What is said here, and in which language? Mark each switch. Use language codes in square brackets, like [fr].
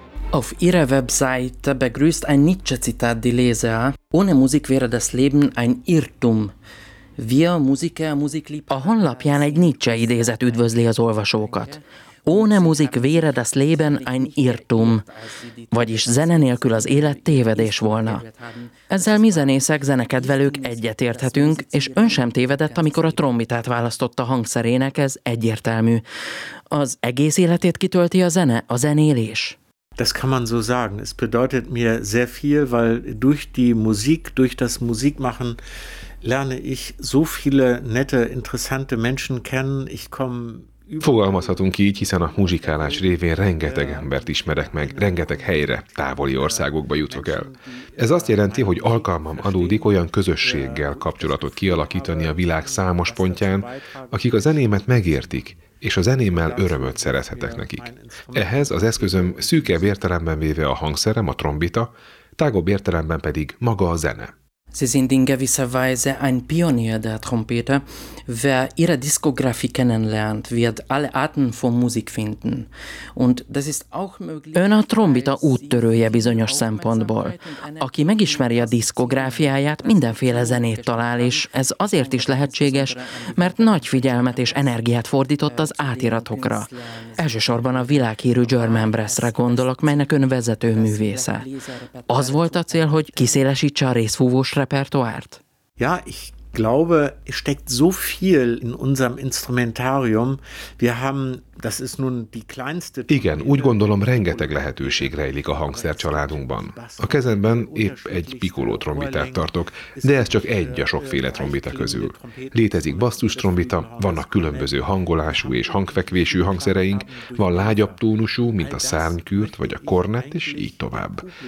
[de] Auf ihrer Webseite begrüßt ein Nietzsche-citát die Leser: Ohne Musik wäre das Leben ein Irrtum. Wir Musiker, Musiklieb... [hu] A honlapján egy Nietzsche idézet üdvözli az olvasókat. [de] Ohne Musik wäre das Leben ein Irrtum, [hu] vagyis zene nélkül az élet tévedés volna. Ezzel mi zenészek, zenekedvelők egyetérthetünk, és ön sem tévedett, amikor a trombitát választotta hangszerének, ez egyértelmű. Az egész életét kitölti a zene, a zenélés. [de] Das kann man so sagen. Es bedeutet mir sehr viel, weil durch die Musik, durch das Musikmachen lerne ich so viele nette, interessante Menschen kennen. Ich komme [hu] Fogalmazhatunk így, hiszen a muzsikálás révén rengeteg embert ismerek meg, rengeteg helyre, távoli országokba jutok el. Ez azt jelenti, hogy alkalmam adódik olyan közösséggel kapcsolatot kialakítani a világ számos pontján, akik a zenémet megértik, és a zenémmel örömöt szerezhetek nekik. Ehhez az eszközöm szűkebb értelemben véve a hangszerem, a trombita, tágabb értelemben pedig maga a zene. [de] Sie sind in gewisser Weise ein Pionier der Trompete. Wer ihre Diskografie kennenlernt, wird alle Arten von Musik finden. Und das ist auch möglich. [hu] Ön a trombita úttörője bizonyos szempontból. Aki megismeri a diszkográfiáját, mindenféle zenét talál, és ez azért is lehetséges, mert nagy figyelmet és energiát fordított az átiratokra. Elsősorban a világhírű German Brass-re gondolok, melynek ön vezető művésze. Az volt a cél, hogy kiszélesítse a részfúvós repertoárt. [de] Ja, ich glaube, es steckt so viel in unserem Instrumentarium. Wir haben, das ist nun die kleinste. [hu] Igen, úgy gondolom, rengeteg lehetőség rejlik a hangszercsaládunkban. A kezemben épp egy pikoló trombitát tartok, de ez csak egy a sokféle trombita közül. Létezik basszus trombita, vannak különböző hangolású és hangfekvésű hangszereink, van lágyabb tónusú, mint a szárnykürt vagy a kornett, és így tovább.